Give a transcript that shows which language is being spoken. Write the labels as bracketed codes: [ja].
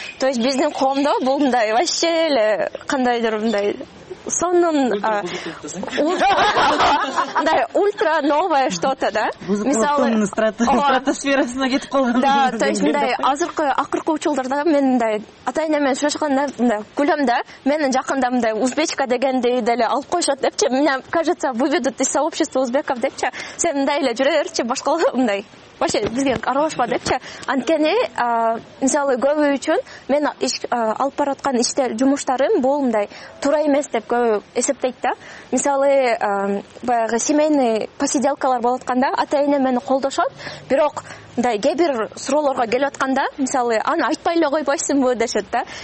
[ky] То есть биздин коомдо бул мындай вообще эле кандайдыр мындай сонун мындай ультра новое что-то да. Мисалы стратосферасына кетип калган. Да, то есть мындай азыркы акыркы учурларда мен мындай ата эне менен сүйлөшкөндө мындай күлөм да, менин жакында мындай узбечка дегенди деле алып коюшат депчи. [ru] Мне кажется, выведут из сообщества узбеков депчи. [ky] Сен мындай эле жүрө берчи, башкалар мындай вообще бизге аралашпа депчи. Анткени мисалы көбү үчүн мен алып бараткан иштер, жумуштарым бул мындай туура эмес деп көбү эсептейт да. Мисалы баягы семейный посиделкалар болуп атканда ата эне мени колдошот, бирок мындай кээ бир суроолорго келип атканда мисалы аны айтпай эле койбойсуңбу дешет да.